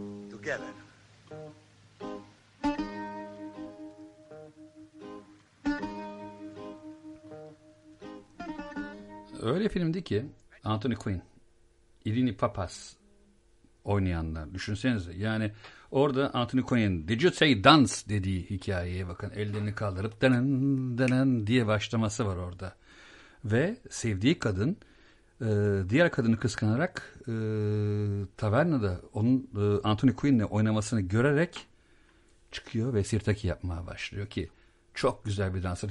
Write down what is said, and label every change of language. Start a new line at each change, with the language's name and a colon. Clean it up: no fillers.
English: Together.
Turkish: Öyle filmdi ki Anthony Quinn, Irini Papas oynayanlar, düşünsenize. Yani orada Anthony Quinn
English: "Did you say dance?"
Turkish: dediği hikayeye bakın. Ellerini kaldırıp "danın danın" diye başlaması var orada. Ve sevdiği kadın diğer kadını kıskanarak tavernada onun Anthony Quinn'le oynamasını görerek çıkıyor ve sirtaki yapmaya başlıyor ki çok güzel bir dansır.